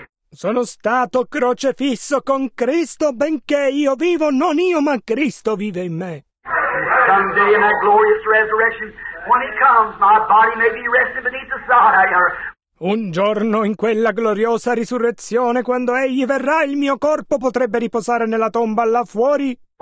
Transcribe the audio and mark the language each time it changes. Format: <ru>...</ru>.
<it>Sono stato crocefisso con Cristo benché io vivo, non io ma Cristo vive in me.</it> <en>Someday in that glorious resurrection, when he comes, my body may be resting beneath the sod.</en> <it>Un giorno in quella gloriosa risurrezione, quando egli verrà, il mio corpo potrebbe riposare nella tomba là fuori.</it>